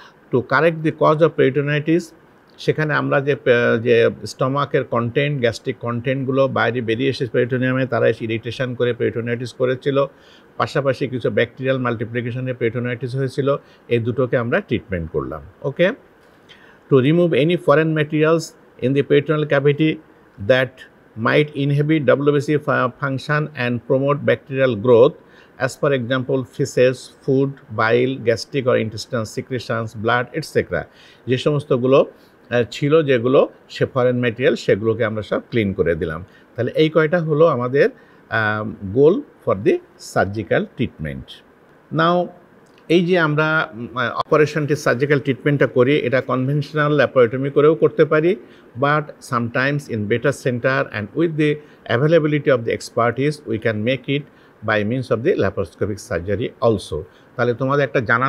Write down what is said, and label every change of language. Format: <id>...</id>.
<en>to correct the cause of peritonitis,</en> <bn>সেখানে আমরা যে স্টমাকের কন্টেন্ট, গ্যাস্ট্রিক কন্টেন্টগুলো বাইরে বেরিয়ে এসেছে পেরিটোনিয়ামে, তারা এসে ইরিটেশন করে পেরিটোনাইটিস করেছিল, পাশাপাশি কিছু ব্যাকটেরিয়াল মাল্টিপ্লিকেশনে পেরিটোনাইটিস হয়েছিল, এই দুটোকে আমরা ট্রিটমেন্ট করলাম।</bn> <en>Okay, to remove any foreign materials in the peritoneal cavity that might inhibit WBC function and promote bacterial growth, as for example, feces, food, bile, gastric or intestinal secretions, blood, etc.</en> <bn>যে সমস্ত গুলো ছিল যেগুলো সেফরেন material সেগুলোকে আমরা সব clean করে দিলাম তাহলে এই কয়টা হলো আমাদের</bn> <en>goal for the surgical treatment now</en> <bn>এই যে আমরা অপারেশনটি সার্জিক্যাল ট্রিটমেন্টটা করি এটা কনভেনশনাল ল্যাপারেটমি করেও করতে পারি</bn> <en>but sometimes in better centre and with the availability of the expertise we can make it by means of the laparoscopic surgery also</en> <bn>তাহলে তোমাদের একটা</bn>